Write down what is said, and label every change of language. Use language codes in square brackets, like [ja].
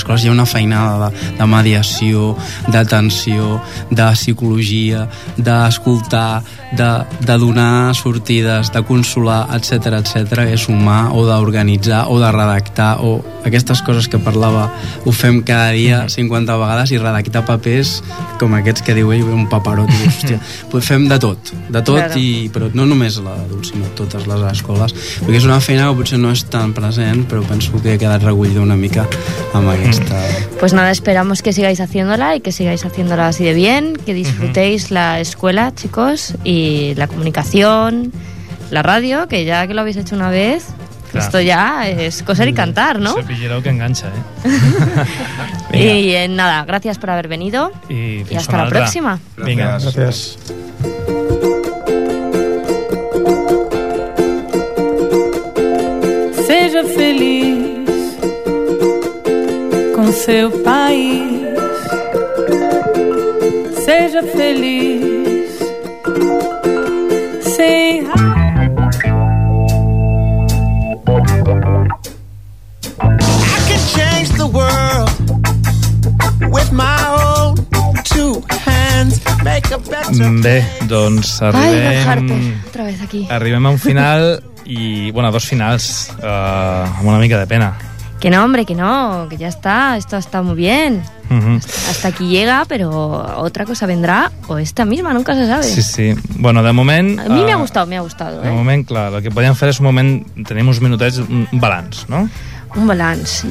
[ca] escoles hi ha una feinada de mediació, d'atenció, de psicologia, d'escoltar, de donar sortides, de consolar, etc, etc, que és humà, o d'organitzar o de redactar, o aquestes coses que parlava, ho fem cada dia 50 vegades, i redactar papers com aquests que diu ell, un paperot, i hòstia, pues fem de tot claro. I, però no només la d'adults, sinó totes les escoles, perquè és una feina que potser no és tan present, però penso que he quedat recollida una mica amb aquesta. [es] Pues nada, esperamos que sigáis haciéndola y que sigáis haciéndola así de bien, que disfrutéis la escuela, chicos, y la comunicación, la radio, que ya que lo habéis hecho una vez, claro, esto ya es coser y cantar, ¿no? Se pillero que engancha, Y nada, gracias por haber venido y hasta la próxima. Venga, gracias. [pt] Seja feliz com seu país. Seja feliz. [en] I can change the world with my own two hands. Make a better. [ca] Bé, doncs arribem. [es] Ai, otra vez aquí. [ca] Arribem a un final i, bueno, a dos finals, amb una mica de pena. [es] Que no, hombre, que no, que ya está, esto está muy bien. Hasta aquí llega, pero otra cosa vendrá, o esta misma, nunca se sabe. [ca] Sí, sí. Bueno, de moment... A mi m'ha gustado. De moment, clar, el que podíem fer és un moment, tenim uns minutets, un balanç, no? Un balanç.